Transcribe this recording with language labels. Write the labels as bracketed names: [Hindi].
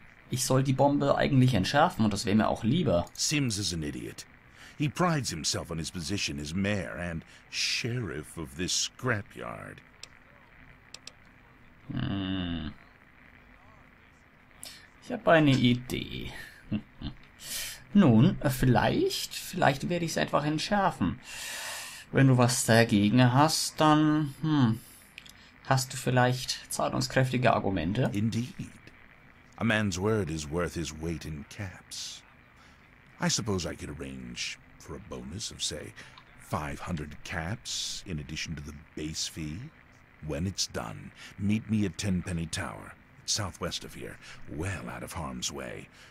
[German] Ich soll die Bombe eigentlich entschärfen, und das wäre mir auch lieber. [English] Sims is an idiot. He prides himself on his position as mayor and sheriff of this scrapyard. [German] Ich habe eine Idee. Nun, vielleicht werde ich es einfach entschärfen. Wenn du was dagegen hast, dann, hast du vielleicht zahlungskräftige Argumente? [English] Indeed. A man's word is worth his weight in caps. I suppose I could arrange for a bonus of, say, 500 caps in addition to the base fee. When it's done, meet me at Tenpenny Tower, southwest of here, well out of harm's way.